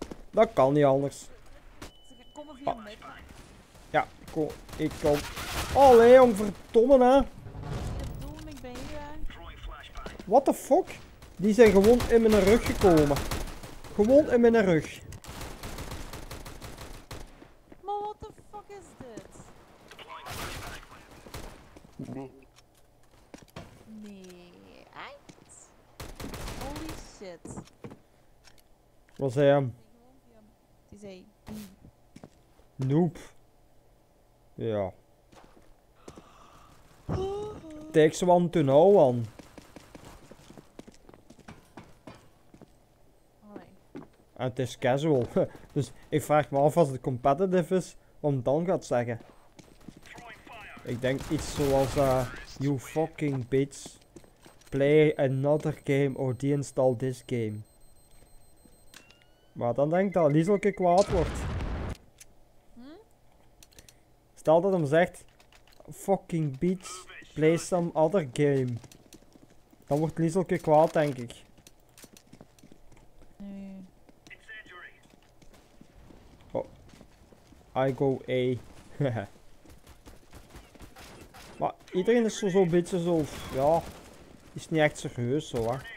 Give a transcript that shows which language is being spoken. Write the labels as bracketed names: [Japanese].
[Dutch] Dat kan niet anders. Ze komen via midden. Ja, ik kom. Allee, jong, verdomme, hè. Ik ben hier, hè. [English] What the fuck? [Dutch] Die zijn gewoon in mijn rug gekomen. Gewoon in mijn rug. Maar [English] what the fuck [Dutch] is dit? Wat zei hem? Die zei... Noob. Ja. [English] Takes one to know one. [Dutch] En het is casual. Dus ik vraag me af als het competitive is, wat dan gaat zeggen. Ik denk iets zoals... [English] you fucking bitch. Play another game or deinstall this game. [Dutch] Maar dan denk ik dat Lieselke kwaad wordt. Stel dat hem zegt... [English] Fucking bitch, play some other game. [Dutch] Dan wordt Lieselke kwaad, denk ik. [English] Oh. I go A. [Dutch] Maar iedereen is zo'n beetje zo... Ja... Is niet echt serieus, zo, hè.